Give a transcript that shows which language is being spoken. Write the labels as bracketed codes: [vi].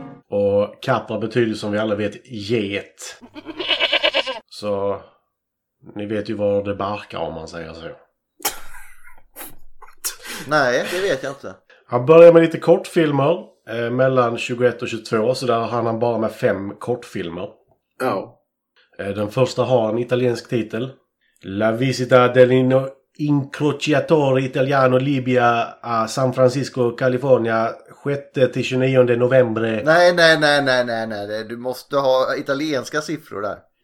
[sv] Och kappa betyder som vi alla vet get. Så ni vet ju var det barkar om man säger så. Nej, det vet jag inte. Han börjar med lite kortfilmer mellan 21 och 22. Så där hann han bara med 5 kortfilmer. Ja. Den första har en italiensk titel. [it] La visita dell'incrociatore italiano Libia a San Francisco, California 6-29 november. [sv] Nej, nej, nej, nej, nej, nej. Du måste ha italienska siffror där.